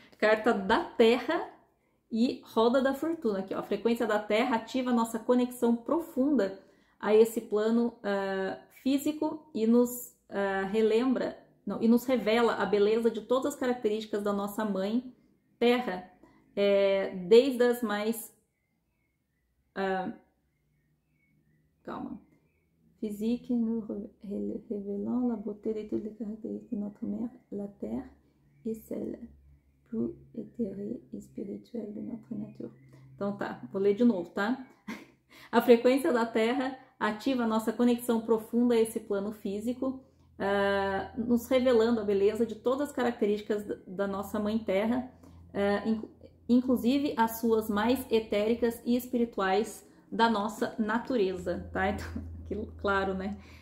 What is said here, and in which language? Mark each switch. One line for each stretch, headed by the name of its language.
Portuguese: Carta da Terra. E roda da fortuna aqui, ó. A frequência da Terra ativa nossa conexão profunda a esse plano físico e nos relembra, não, e nos revela a beleza de todas as características da nossa mãe Terra, desde as mais. Calma.
French: Physique nous révélant la beauté de toutes les caractéristiques de notre mère, la Terre et celle. Plus éthéré et spirituel de notre nature.
Portuguese: Então tá, vou ler de novo, tá? A frequência da Terra ativa a nossa conexão profunda a esse plano físico, nos revelando a beleza de todas as características da nossa mãe Terra, inclusive as suas mais etéricas e espirituais da nossa natureza, tá? Então, claro, né?